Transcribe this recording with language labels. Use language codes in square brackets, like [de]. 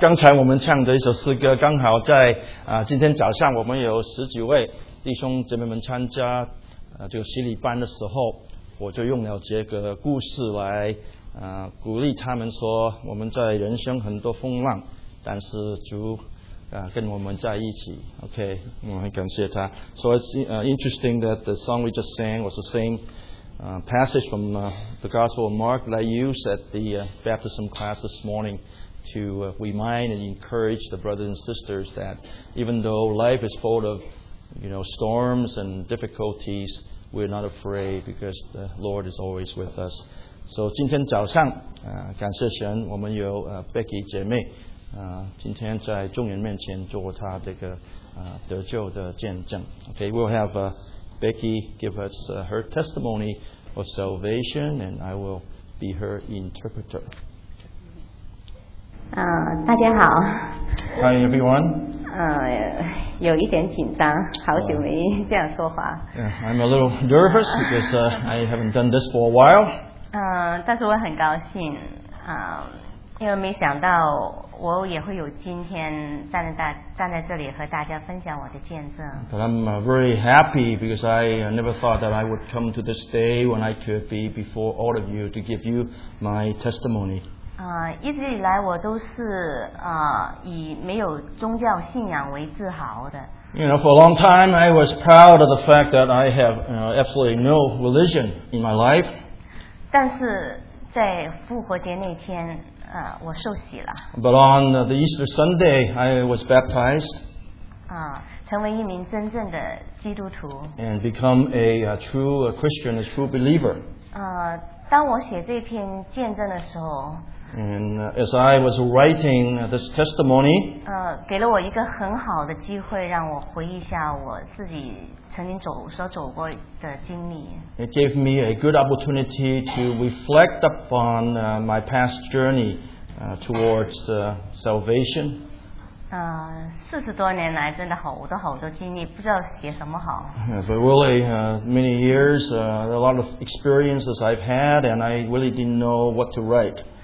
[zh] 刚才我们唱的一首诗歌，刚好在今天早上我们有十几位弟兄姐妹们参加这个洗礼班的时候，我就用了这个故事来鼓励他们说，我们在人生很多风浪，但是主跟我们在一起。 OK, 我很感谢他。 [en] So it's interesting that the song we just sang was the same passage from the Gospel of Mark that I used at the baptism class this morning to remind and encourage the brothers and sisters that even though life is full of, you know, storms and difficulties, we're not afraid because the Lord is always with us. [zh] So 今天早上感谢神，我们有Becky 姐妹今天在众人面前做她这个得救的见证。 [en] Okay, we'll have Becky give us her testimony of salvation, and I will be her interpreter. [zh] 大家好。 [en] Hi, everyone. [zh] 有一点紧张，好久没这样说话。 [en] Yeah, I'm a little nervous because I haven't done this for a while. [zh] 但是我很高兴因为没想到我也会有今天站在这里和大家分享我的见证。 [en] But I'm very happy because I never thought that I would come to this day when I could be before all of you to give you my testimony. [zh] 一直以来我都是以没有宗教信仰为自豪的。 [en] You know, for a long time I was proud of the fact that I have absolutely no religion in my life. [zh] 但是在复活节那天我受洗了。 [en] But on the Easter Sunday, I was baptized. [zh] 成为一名真正的基督徒。 [en] And become a true Christian, a true believer. [zh] 当我写这篇见证的时候。 [en] And as I was writing this testimony. [zh] 给了我一个很好的机会，让我回忆一下我自己曾经所走过的经历。 [en] It gave me a good opportunity to reflect upon my past journey towards salvation. [zh] 四十多年来真的好多好多经历，不知道写什么好。 [en] Yeah, but really, many years, a lot of experiences I've had, and I really didn't know what to write.